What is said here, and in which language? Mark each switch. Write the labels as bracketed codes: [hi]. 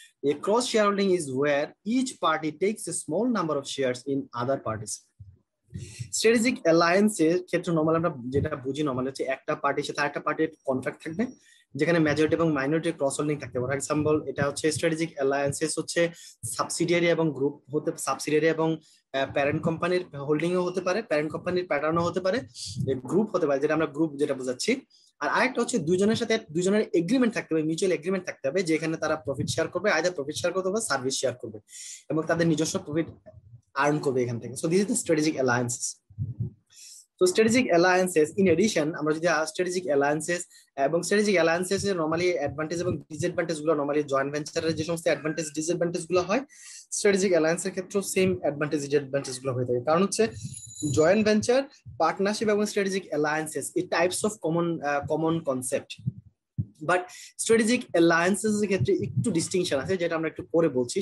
[en] A cross shareholding is where each party takes a small number of shares in other parties. [bn] Strategic alliances ক্ষেত্রে normally আমরা যেটা বুঝি normally হচ্ছে একটা পার্টির সাথে আরেকটা পার্টির কন্ট্রাক্ট থাকবে যেখানে মেজরিটি এবং মাইনরিটি ক্রস হোল্ডিং থাকতে পারে। এক্সাম্পল এটা হচ্ছে স্ট্র্যাটেজিক অ্যালায়েন্সেস হচ্ছে সাবসিডিয়ারি এবং গ্রুপ হতে, সাবসিডিয়ারি এবং প্যারেন্ট কোম্পানির হোল্ডিংও হতে পারে, প্যারেন্ট কোম্পানির প্যাটার্নও হতে পারে, গ্রুপ হতে পারে যেটা আমরা গ্রুপ যেটা বোঝাচ্ছি। আর আরেকটা হচ্ছে দুজনের সাথে দুজনের এগ্রিমেন্ট থাকতে হবে, মিউচুয়াল এগ্রিমেন্ট থাকতে হবে যেখানে তারা প্রফিট শেয়ার করবে, আইদার প্রফিট শেয়ার করবে বা সার্ভিস শেয়ার করবে এবং তাদের নিজস্ব প্রফিট আর্ন করবে এখান থেকে। [en] So this is the strategic alliances. [bn] So strategic alliances, in addition, আমরা যদি strategic alliances এবং strategic alliances এর normally advantage এবং disadvantage গুলো normally joint venture এর যে সমস্ত advantage disadvantage গুলো হয় strategic alliance এর ক্ষেত্রেও same advantage disadvantage গুলো হয়ে থাকে। কারণ হচ্ছে joint venture, partnership এবং strategic alliances এই types of common concept, but strategic alliances এর ক্ষেত্রে একটু ডিস্টিংশন আছে যেটা আমরা একটু পরে বলছি।